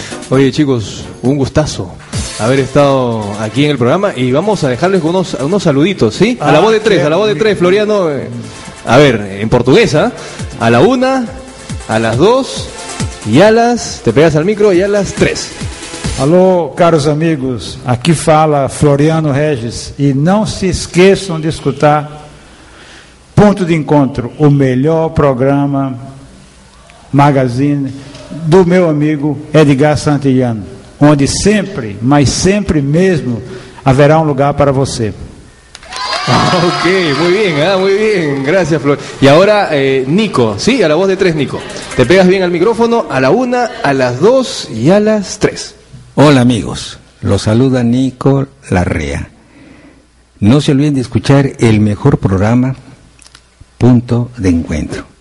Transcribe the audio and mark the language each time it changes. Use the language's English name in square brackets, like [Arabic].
[Spanish] Oye, chicos, un gustazo haber estado aquí en el programa. Y vamos a dejarles unos saluditos, ¿sí? Ah, a la voz de tres, Floriano. A ver, en portuguesa. A la una, a las dos y a las... Te pegas al micro y a las tres. [Portuguese] Alô, caros amigos, aqui fala Floriano Regis e não se esqueçam de escutar Ponto de Encontro, o melhor programa magazine do meu amigo Edgar Santillano, onde sempre, mas sempre mesmo, haverá um lugar para você. [Spanish] Ok, muy bien, gracias Flor. Y ahora Nico, sí, a la voz de tres, Nico. Te pegas bien al micrófono, a la una, a las dos y a las tres. Hola amigos, los saluda Nico Larrea. No se olviden de escuchar el mejor programa, Punto de Encuentro.